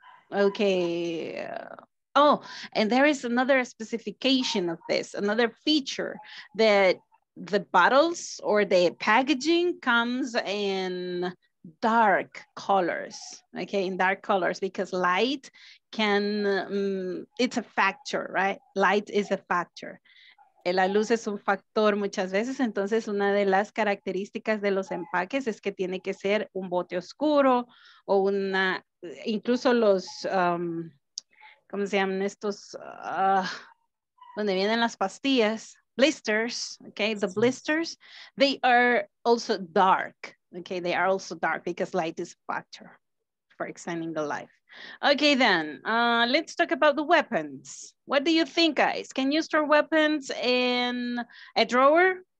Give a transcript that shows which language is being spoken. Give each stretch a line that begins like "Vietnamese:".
English: Oh, and there is another specification of this, another feature that the bottles or the packaging comes in dark colors, okay? In dark colors, because light can, it's a factor, right? Light is a factor.
Spanish: La luz es un factor muchas veces, entonces una de las características de los empaques es que tiene que ser un bote oscuro o una, incluso los, ¿cómo se llaman estos? Donde vienen las pastillas,
English: blisters, okay, the blisters, they are also dark, okay, they are also dark because light is a factor for extending the life. Okay, then, let's talk about the weapons. What do you think, guys? Can you store weapons in a drawer?